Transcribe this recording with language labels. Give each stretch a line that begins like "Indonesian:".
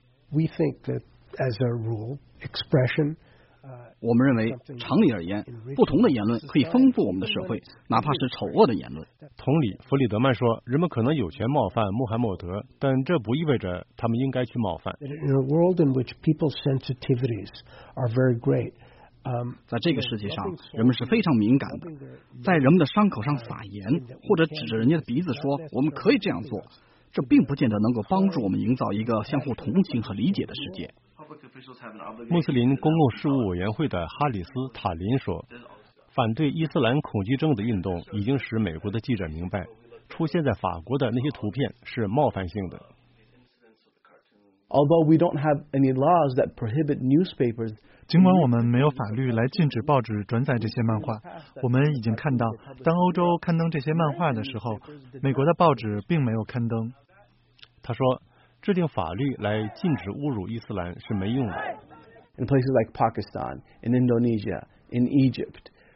English: We think that as a rule, expression,
Chinese: 我们认为常理而言，不同的言论可以丰富我们的社会，哪怕是丑恶的言论。同理，弗里德曼说，人们可能有权冒犯穆罕默德，但这不意味着他们应该去冒犯。
English: In a world in which people's sensitivities are very great,
Chinese: 在这个世界上，人们是非常敏感的，在人们的伤口上撒盐，或者指着人家的鼻子说，我们可以这样做，这并不见得能够帮助我们营造一个相互同情和理解的世界。穆斯林公共事务委员会的哈里斯·塔林说，反对伊斯兰恐惧症的运动已经使美国的记者明白，出现在法国的那些图片是冒犯性的。
English: Although we don't have any laws that prohibit newspapers,
Chinese: 尽管我们没有法律来禁止报纸转载这些漫画，我们已经看到，当欧洲刊登这些漫画的时候，美国的报纸并没有刊登。他说，制定法律来禁止侮辱伊斯兰是没用的。
English: In places like Pakistan, in Indonesia, in Egypt.